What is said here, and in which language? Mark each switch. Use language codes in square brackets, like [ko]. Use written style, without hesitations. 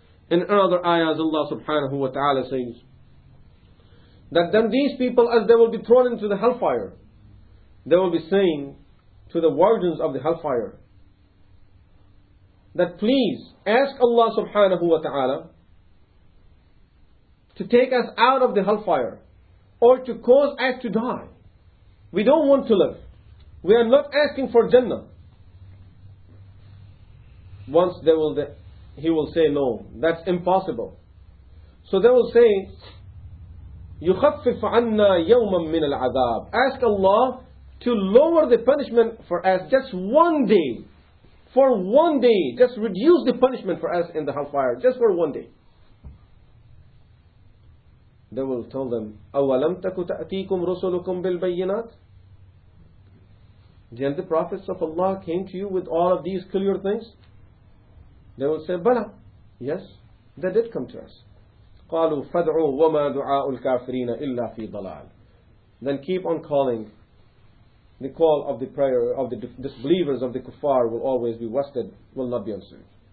[en] In another ayah, Allah subhanahu wa ta'ala says that then these people, as they will be thrown into the hellfire, they will be saying to the wardens of the hellfire that please ask Allah subhanahu wa ta'ala to take us out of the hellfire or to cause us to die. We don't want to live. We are not asking for Jannah. Once they will... He will say, no, that's impossible. So they will say, [ar] يُخَفِّفْ عَنَّا يَوْمًا مِّنَ الْعَذَابِ. [en] Ask Allah to lower the punishment for us just one day. For one day, just reduce the punishment for us in the hellfire, just for one day. They will tell them, [ar] أَوَلَمْ تَكُ تَأْتِيكُمْ رُسُلُكُمْ بِالْبَيِّنَاتِ. [en] Then the prophets of Allah came to you with all of these clear things. They will say, Bala, yes, they did come to us. [ar] قَالُوا فَدْعُوا وَمَا دُعَاءُ الْكَافِرِينَ إِلَّا فِي ضَلَالٍ. [en] Then keep on calling. The call of the prayer of the disbelievers of the kuffar will always be wasted, will not be answered.